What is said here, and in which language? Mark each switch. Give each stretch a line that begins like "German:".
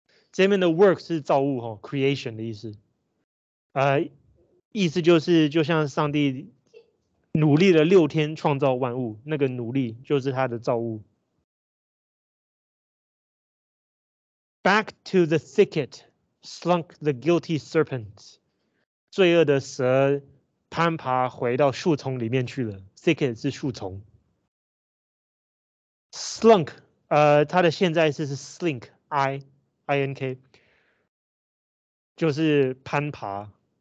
Chinese: 这边的 work 是造物 creation 的意思，意思就是就像上帝努力了六天创造万物，那个努力就是他的造物。
English: Back to the thicket slunk the guilty serpent.
Chinese: 罪恶的蛇攀爬回到树丛里面去了。 Thicket 是树丛。 Slunk， 它的现在式是 slink，I-I-N-K， 就是攀爬。